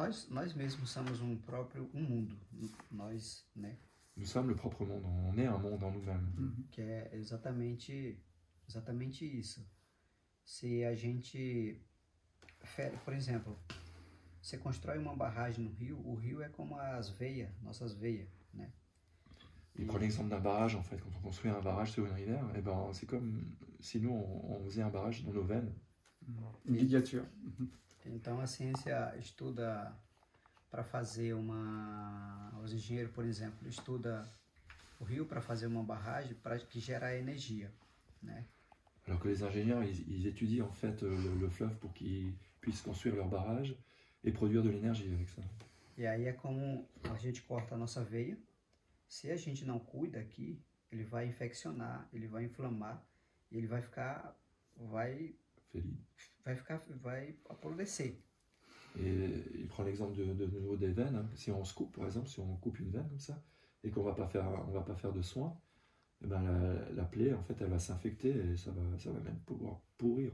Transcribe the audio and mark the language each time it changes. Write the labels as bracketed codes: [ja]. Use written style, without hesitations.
[pt] Nós mesmos somos um próprio mundo, nós, né? [fr] Nous sommes le propre monde, on est un monde en nous-mêmes. [pt] Que é exatamente isso. Se a gente, por exemplo, você constrói uma barragem no rio, o rio é como as veias, nossas veias, né? [fr] Et prenez l'exemple d'un barrage, en fait, quand on construit un barrage sur une rivière, eh ben, c'est comme si nous on faisait un barrage dans nos veines. Une ligature. [pt] Então a ciência estuda para fazer uma, os engenheiros, por exemplo, estuda o rio para fazer uma barragem para que gerar energia, né? [fr] Alors que les ingénieurs ils étudient en fait le fleuve pour qu'ils puissent construire leur barrage et produire de l'énergie avec ça. [pt] E aí é como a gente corta a nossa veia. Se a gente não cuida aqui, ele vai infeccionar, ele vai inflamar e ele vai ficar vai apodrecer. [fr] Et il prend l'exemple de nouveau des veines. Si on se coupe, par exemple, si on coupe une veine comme ça et qu'on ne va pas faire de soins, eh ben la plaie, en fait, elle va s'infecter et ça va même pouvoir pourrir.